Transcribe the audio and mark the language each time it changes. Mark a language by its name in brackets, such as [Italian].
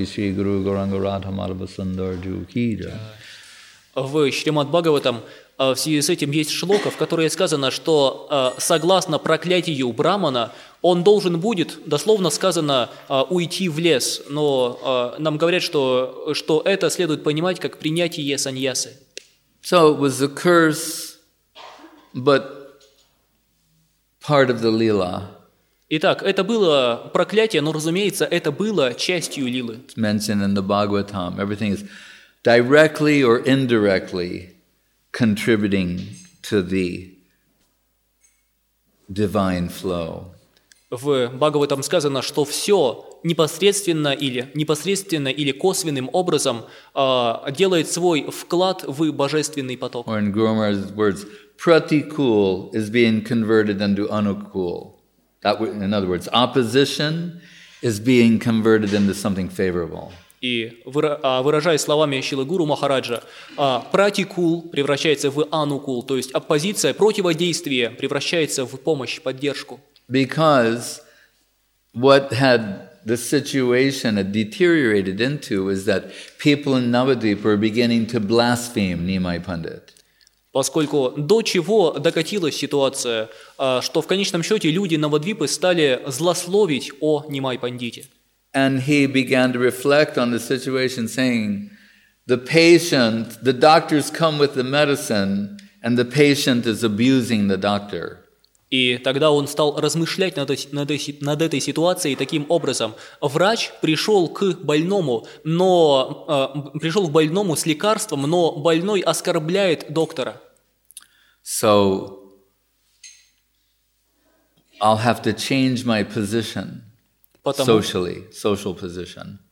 [Russian] В Шримад-Бхагаватам в связи с этим есть шлока, в которой сказано, что согласно проклятию Брахмана, он должен будет, дословно сказано, уйти в лес. Но нам говорят, что это следует понимать как принятие саньясы. [English] So it was a curse, but part of the lila. [Russian] Итак, это было проклятие, но, разумеется, это было частью лилы. [English] It's mentioned in the Bhagavatam. Everything is directly or indirectly contributing to the divine flow. [Russian] В Бхагаватам сказано, что все непосредственно или косвенным образом делает свой вклад в божественный поток. [English] Or in Guru-Maharaj's words, pratikul is being converted into anukul. That, in other words, opposition is being converted into something favorable. [Russian] И выражая словами Шрилы Гуру Махараджа, пратикул превращается в анукул, то есть оппозиция, противодействие превращается в помощь, поддержку. [English] Because what had the situation had deteriorated into is that people in Navadvipa were beginning to blaspheme Nimai Pandit. [Russian] Поскольку до чего докатилась ситуация, что в конечном счете люди Навадвипы стали злословить о Нимай Пандите. [English] And he began to reflect on the situation, saying, the patient, the doctors come with the medicine, and the patient is abusing the doctor. [Russian] И тогда он стал размышлять над этой ситуацией таким образом. Врач пришел к больному, но пришел к больному с лекарством, но больной оскорбляет доктора. [English] So I'll have to change my position socially, social position.